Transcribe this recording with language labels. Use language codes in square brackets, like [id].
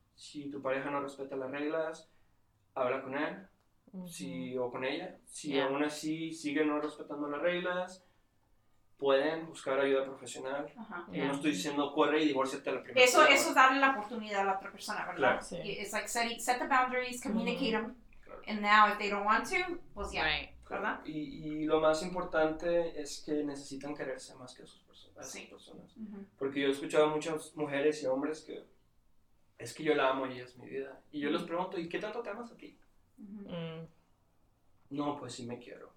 [es] Si tu pareja no respeta las reglas, habla con él. Sí, o con ella, si [en] yeah. [es] aún así siguen no respetando las reglas, pueden buscar ayuda profesional. Uh-huh. [en] Yeah. [es] No estoy diciendo corre y divórciate la primera. Eso es darle la oportunidad a la otra persona, ¿verdad? Claro. Sí. [en] It's like set the boundaries, communicate them, and now if they don't want to, [es] pues ya, [en] yeah, right. [es] ¿Verdad? Y lo más importante es que necesitan quererse más que a sus personas. Sí. A sus personas. Uh-huh. Porque yo he escuchado a muchas mujeres y hombres que es que yo la amo y ella es mi vida. Y yo les pregunto, ¿y qué tanto te amas a ti? Mm-hmm. No, pues sí me quiero.